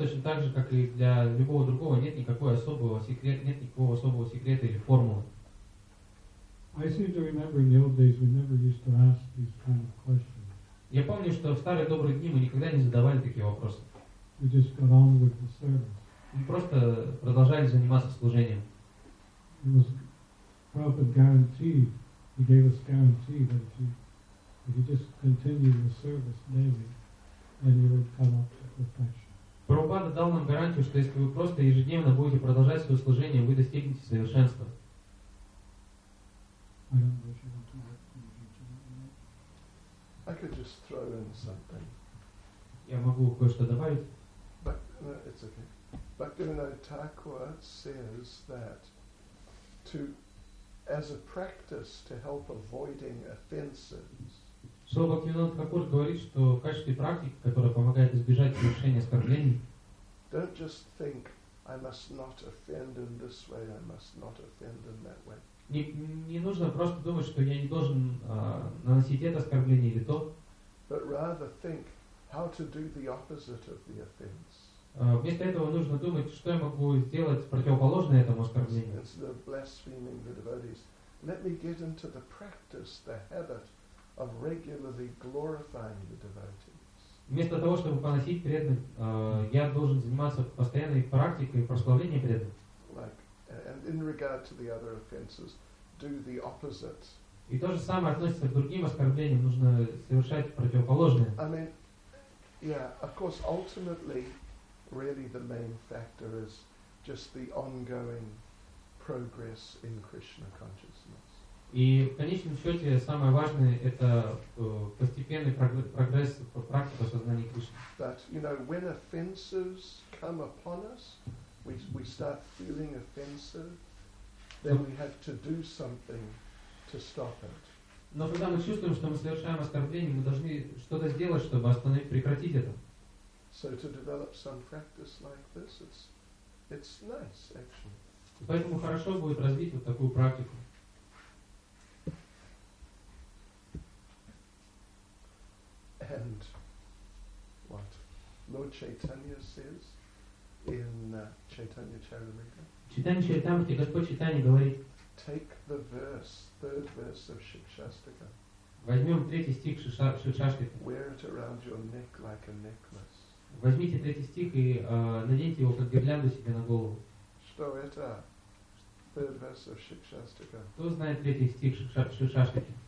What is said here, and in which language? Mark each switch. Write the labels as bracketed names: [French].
[Russian] точно так же, как и для любого другого, нет никакого особого секрета, нет никакого особого секрета или формулы. [English] I seem to remember in the old days we never used to ask these kind of questions. [Russian] Я помню, что в старые добрые дни мы никогда не задавали такие вопросы. [English] We just got on with the service. [Russian] Мы просто продолжали заниматься служением. [English] It was Prabhupada guaranteed. He gave us guarantee that if you just continue the service daily, then you would come up to perfection. [Russian] Прабхупада дал нам гарантию, что если вы просто ежедневно будете продолжать свое служение, вы достигнете совершенства. [English] I could just throw in something. [Russian] Я могу кое-что добавить. [English] But no, it's okay. Bhaktivinoda Thakur says that to, as a practice to help avoiding offenses. [Russian] So Bhaktivinoda Thakur говорит, что в качестве практики, которая помогает избежать совершения оскорблений. [English] Don't just think I must not offend in this way. I must not offend in that way. [Russian] Не нужно просто думать, что я не должен наносить это оскорбление или то. [English] But rather think how to do the opposite of the offense. [Russian] Вместо этого нужно думать, что я могу сделать противоположное этому оскорблению. [English] Instead of blaspheming the devotees, let me get into the practice, the habit of regularly glorifying the devotees. [Russian] Вместо того, чтобы поносить преданных, я должен заниматься постоянной практикой прославления преданных. [English] And in regard to the other offenses, do the opposite. [Russian] И то же самое относится к другим оскорблениям. Нужно совершать противоположное. [English] I mean, yeah, of course, ultimately, really the main factor is just the ongoing progress in Krishna consciousness. [Russian] И в конечном счете самое важное это постепенный прогресс в практике осознания Кришны. [English] But you know, when offenses come upon us. We start feeling offensive, then we have to do something to stop it. [Russian] Но когда мы чувствуем, что мы совершаем оскорбление, мы должны что-то сделать, чтобы остановить, прекратить это. [English] So to develop some practice like this, it's nice actually. [Russian] Поэтому хорошо будет развить вот такую практику. [English] And what Lord Chaitanya says. In Chaitanya Charitamrita. [Russian] Господь Чайтанья говорит. [English] Take the verse, third verse of Шикшастика. [Russian] Возьмем третий стих Шикшастика. [English] Wear it around your neck like a necklace. [Russian] Возьмите третий стих и наденьте его как гирлянду себе на голову. Что это? [English] Third verse of Шикшастика. [Russian] Кто знает третий стих Шикшастики?